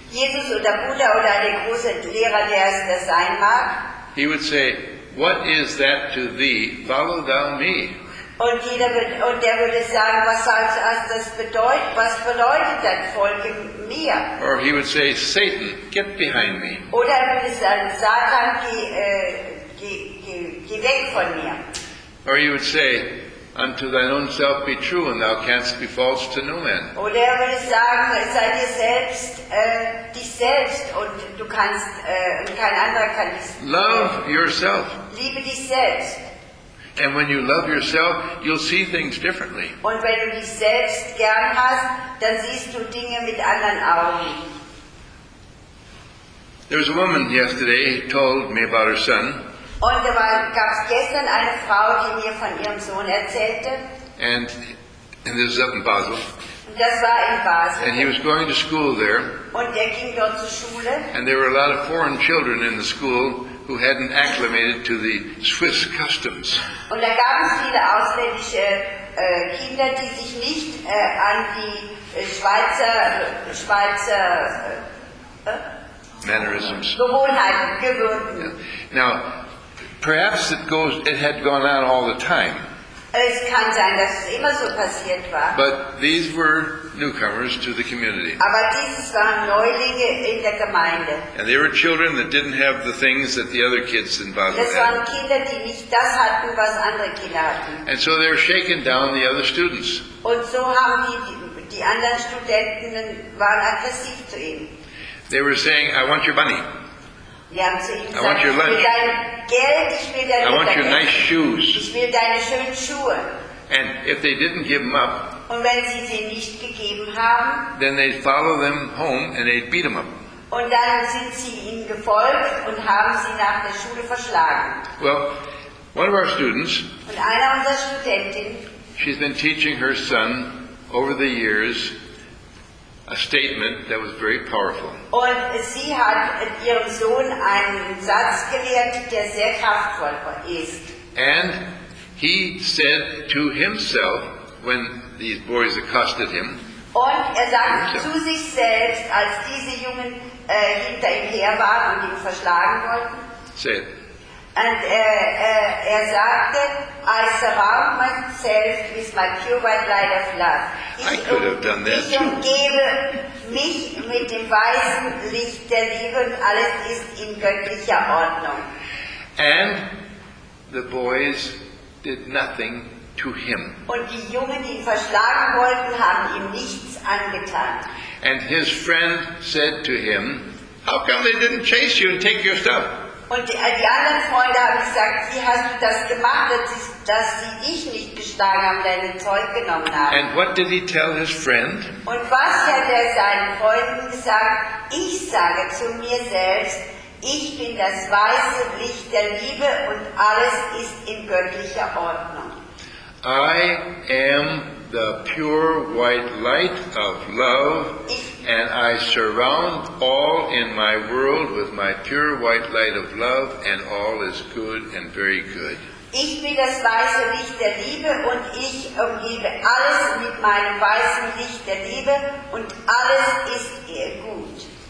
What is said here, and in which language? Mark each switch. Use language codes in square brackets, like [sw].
[de] Jesus oder Buddha oder der große Lehrer, der es sein mag, [en] he would say, what is that to thee? Follow thou me. [de] Und der würde sagen, was soll das bedeuten? Was bedeutet das? Folge mir. [en] Or he would say, Satan, get behind me. [de] Oder er würde sagen, Satan, geh weg von mir. [en] Or he would say, unto thine own self be true, and thou canst be false to no man. [de] Oder er würde sagen, sei dir selbst, dich selbst, und du kannst, kein anderer kann dich. [en] Love yourself. [de] Liebe dich selbst. [en] And when you love yourself, you'll see things differently. [de] Und wenn du dich selbst gern hast, dann siehst du Dinge mit anderen Augen. [en] There was a woman yesterday who told me about her son. [de] Und da gab es gestern eine Frau, die mir von ihrem Sohn erzählte. [en] And And this is up in Basel. [de] Das war in Basel. [en] And he was going to school there. [de] Und ging dort zur Schule. [en] And there were a lot of foreign children in the school who hadn't acclimated to the Swiss customs. [de] Und da gab es viele ausländische Kinder, die sich nicht an die Schweizer [en] mannerisms. [de] Gewohnheiten gewöhnten. [en] Yeah. Now, perhaps it had gone on all the time. [de] Es kann sein, dass es immer so passiert war. [en] But these were newcomers to the community. [de] Aber dieses waren Neulinge in der Gemeinde. [en] And they were children that didn't have the things that the other kids in Basel had. [de] Das waren Kinder, die nicht das hatten, was andere Kinder hatten. [en] And so they were shaking down the other students. [de] Und so haben die anderen Studenten waren aggressiv zu ihm. [en] They were saying, I want your money. [de] Die haben zu ihm gesagt, [en] I want your lunch. [de] Geld, ich will dein [en] I want your [de] Geld. [en] Nice shoes. [de] Ich will deine schönen Schuhe. [en] And if they didn't give them up, [de] und wenn sie sie nicht gegeben haben, [en] then they'd follow them home and they'd beat them up. [de] Und dann sind sie ihnen gefolgt und haben sie nach der Schule verschlagen. [en] Well, one of our students, [de] und einer unserer Studentin, [en] she's been teaching her son over the years a statement that was very powerful. [de] Und sie hat ihrem Sohn einen Satz gelehrt, der sehr kraftvoll ist. [en] And he said to himself when these boys accosted him. [de] Und er sagte zu sich selbst, als diese Jungen hinter ihm her waren und ihn verschlagen wollten. [en] Say it. And [de] er sagte, [en] I surround myself with my pure white light of love. I could have done that [de] too. Ich umgebe mich mit dem weißen Licht der Liebe und alles ist in göttlicher Ordnung. [en] And the boys did nothing to him. [de] Und die Jungen, die ihn verschlagen wollten, haben ihm nichts angetan. [en] And his friend said to him, how come they didn't chase you and take your stuff? [de] Und die anderen Freunde haben gesagt, wie hast du das gemacht, dass sie dich nicht geschlagen haben, deine Zeug genommen haben. [en] And what did he tell his friend? [de] Und was hat er seinen Freunden gesagt? Ich sage zu mir selbst, ich bin das weiße Licht der Liebe und alles ist in göttlicher Ordnung. [en] I am the pure white light of love. And I surround all in my world with my pure white light of love, and all is good and very good. [de] Ich bin das weiße Licht der Liebe, und ich umgebe alles mit meinem weißen Licht der Liebe, und alles ist gut.